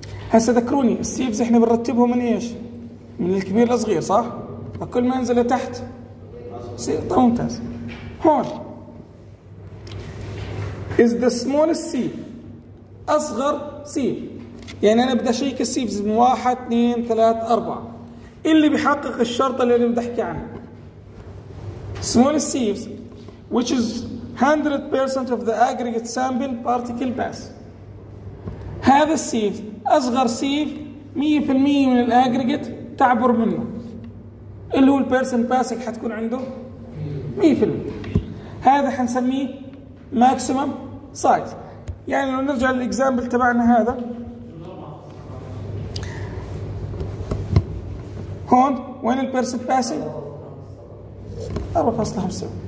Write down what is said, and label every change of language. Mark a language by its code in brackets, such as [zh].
[ar] هسا ذكروني السيفز احنا بنرتبهم من ايش؟ من الكبير للصغير صح؟ فكل ما انزل لتحت سيف. طيب ممتاز. هون [en] is the smallest sieve [ar] اصغر سيف، يعني انا بدي اشيك السيفز من 1 2 3 4 اللي بيحقق الشرطة اللي بدي احكي عنها. [en] smallest sieves which is 100% of the aggregate sample particle pass. [ar] هذا السيف أصغر سيف 100% من الأجريجيت تعبر منه، اللي هو البيرسن باسك حتكون عنده 100%. هذا حنسميه ماكسيمم سايز. يعني لو نرجع للإكزامبل تبعنا هذا، هون وين البيرسن باسك؟ 4.5.